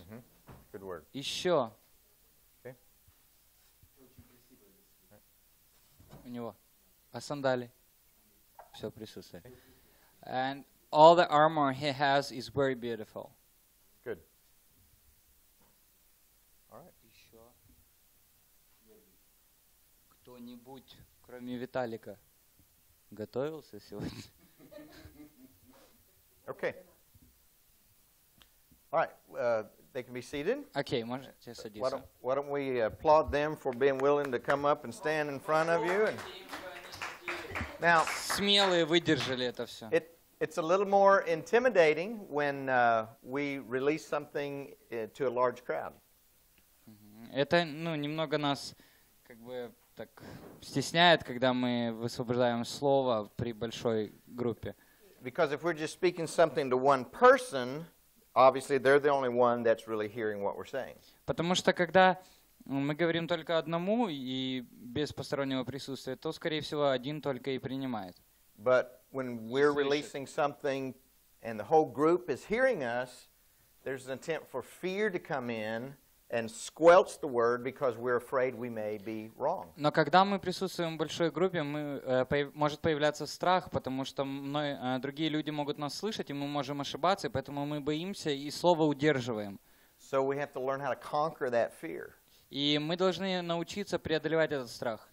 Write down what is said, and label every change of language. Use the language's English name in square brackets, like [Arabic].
[English] Mm-hmm. Good word. You sure? Okay. [Russian] У него. А сандали? Все присутствует. [English] And all the armor he has is very beautiful. Good. All right. [Russian] Еще кто-нибудь, кроме Виталика, готовился сегодня? [English] Okay. All right. They can be seated. [Russian] Okay, можете садиться. [English] Why don't we applaud them for being willing to come up and stand in front of you? And now, [Russian] смелые выдержали это все. [English] It's a little more intimidating when we release something to a large crowd. [Russian] Это, ну, немного нас как бы так стесняет, когда мы высвобождаем слово при большой группе. [English] Because if we're just speaking something to one person, obviously they're the only one that's really hearing what we're saying. [Russian] Потому что когда мы говорим только одному и без постороннего присутствия, то, скорее всего, один только и принимает. [English] But when we're releasing something and the whole group is hearing us, there's an attempt for fear to come in and squelch the word because we're afraid we may be wrong. [Russian] Но когда мы присутствуем в большой группе, может появляться страх, потому что другие люди могут нас слышать, и мы можем ошибаться, поэтому мы боимся и слово удерживаем. [English] So we have to learn how to conquer that fear. [Russian] И мы должны научиться преодолевать этот страх.